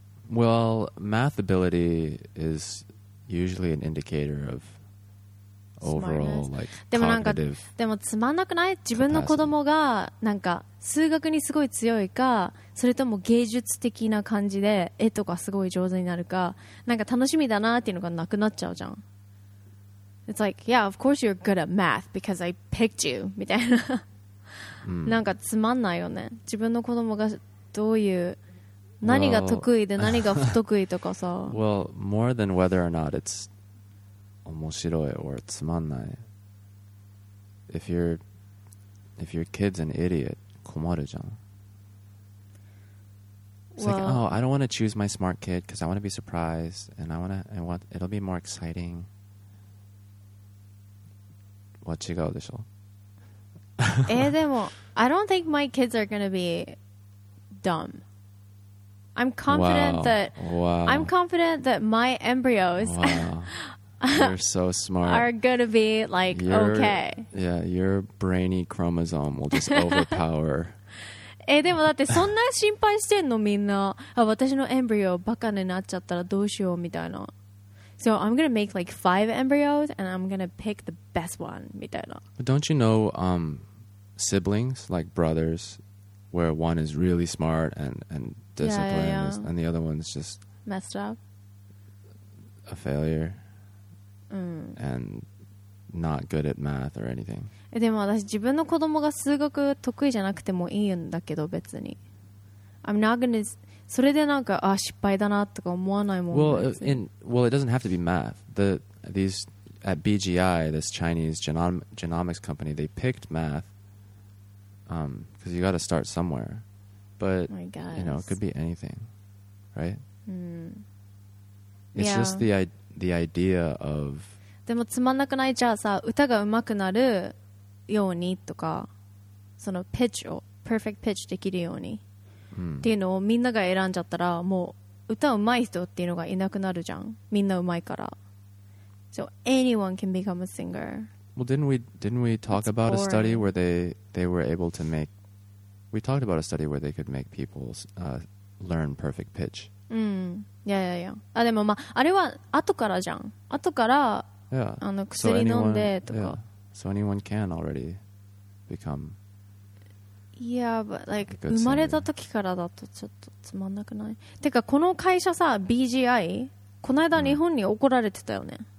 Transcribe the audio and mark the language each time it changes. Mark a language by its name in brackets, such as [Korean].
[English] Well, math ability is usually an indicator of overall, like, [Japanese] でもなんか、でもつまんなくない?自分の子供がなんか数学にすごい強いか、それとも芸術的な感じで絵とかすごい上手になるか、なんか楽しみだなっていうのがなくなっちゃうじゃん。 [English] It's like, yeah, of course you're good at math because I picked you [Japanese] みたいな。なんかつまんないよね。自分の子供がどういう何が得意で何が不得意とかさ。 [English] Well, more than whether or not it's [Japanese] 面白い [English] or [Japanese] つまんない。 [English] If your kid's an idiot, [Japanese] 困るじゃん。 [English] It's well, like, oh, I don't want to choose my smart kid because I want to be surprised and I want it'll be more exciting. [Japanese] わ違うでしょ。でも、 [English] I don't think my kids are going to be dumb. I'm confident that my embryos are gonna be like okay. Yeah, your brainy chromosome will just overpower. [Japanese] でもだってそんな心配してんのみんな。私のエンブリオバカになっちゃったらどうしようみたいな。 [English] So I'm gonna make like 5 embryos and I'm gonna pick the best one [Japanese] みたいな。 [English] But don't you know siblings like brothers where one is really smart and discipline and the other one's just messed up, a failure, and not good at math or anything. [Japanese] でも私自分の子供が数学得意じゃなくてもいいんだけど別に。 [English] I'm not gonna [Japanese] それでなんかあ失敗だなとか思わないもん。 [English] Well, it doesn't have to be math. These at BGI, this Chinese genomics company, they picked math because you got to start somewhere. But, you know, it could be anything, right? It's just the idea of... [Japanese] でもつまんなくないじゃあさ、歌が上手くなるようにとか、そのピッチを、 [English] perfect pitch [Japanese] できるようにっていうのをみんなが選んじゃったら、もう歌上手い人っていうのがいなくなるじゃん。みんな上手いから。 [English] So anyone can become a singer. Well, didn't we talk about a study where they were able to make... We talked about a study where they could make people learn perfect pitch. Yeah, yeah, yeah. [Japanese] あ、でもまあ、あれは後からじゃん。後から、 [English] yeah. [Japanese] あの薬飲んでとか。 [English] So anyone can already become. Yeah, but like [Japanese] 生まれた時からだとちょっとつまんなくない。てかこの会社さ、BGI、この間日本に怒られてたよね。